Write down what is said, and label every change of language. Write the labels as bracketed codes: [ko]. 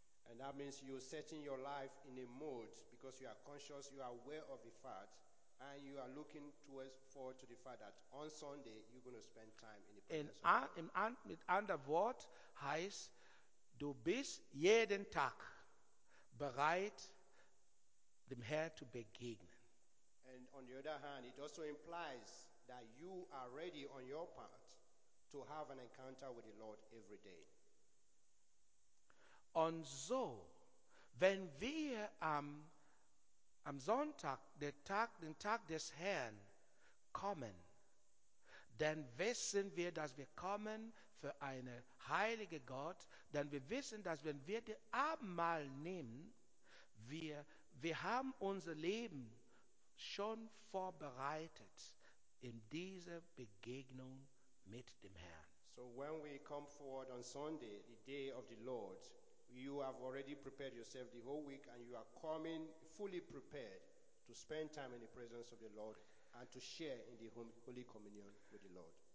[en] And that means you're setting your life in a mode because you are conscious, you are aware of the fact, and you are looking towards forward to the fact that on Sunday you're going to spend time in the presence of God. [de] Mit anderen Wort heißt, du bist jeden Tag bereit, dem Herrn zu begegnen. [en] And on the other hand, it also implies that you are ready on your part to have an encounter with the Lord every day. [de] Und so, wenn wir am Sonntag, den Tag des Herrn, kommen, dann wissen wir, dass wir kommen für einen heiligen Gott, denn wir wissen, dass wenn wir das Abendmahl nehmen, wir haben unser Leben schon vorbereitet in diese Begegnung mit dem Herrn. [en] So when we come forward on Sunday, the day of the Lord, you have already prepared yourself the whole week and you are coming fully prepared to spend time in the presence of the Lord and to share in the Holy Communion with the Lord.